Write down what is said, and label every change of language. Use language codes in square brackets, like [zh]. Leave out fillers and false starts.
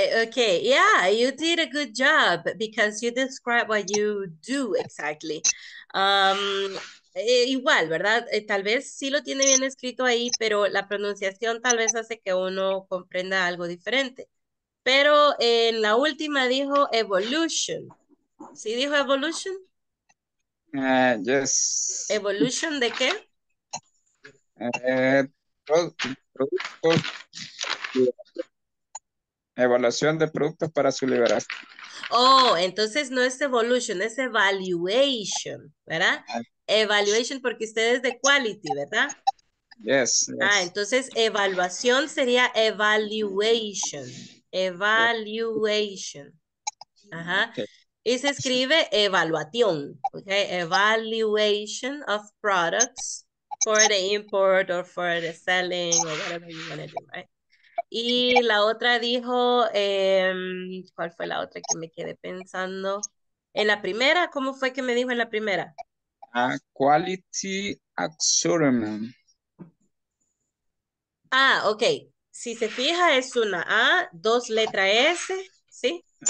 [en] Okay, yeah, you did a good job because you describe what you do exactly. [es] Igual, ¿verdad? Tal vez sí lo tiene bien escrito ahí, pero la pronunciación tal vez hace que uno comprenda algo diferente. Pero en la última dijo evolution. ¿Sí dijo evolution? [en] Yes. [es] ¿Evolution de qué? Productos. Evaluación de productos para su liberación. Oh, entonces no es evolution, es evaluation, ¿verdad? Evaluation porque usted es de quality, ¿verdad? [en] Yes, yes. [es] Ah, entonces evaluación sería evaluation. Evaluation. Ajá. Okay. Y se escribe evaluación. Okay. [en] Evaluation of products for the import or for the selling or whatever you want to do, right? [es] Y la otra dijo, ¿cuál fue la otra que me quedé pensando? En la primera, ¿cómo fue que me dijo en la primera? [en] Quality assurance. Ah, ok. [es] Si se fija, es una A, dos letras S, ¿sí?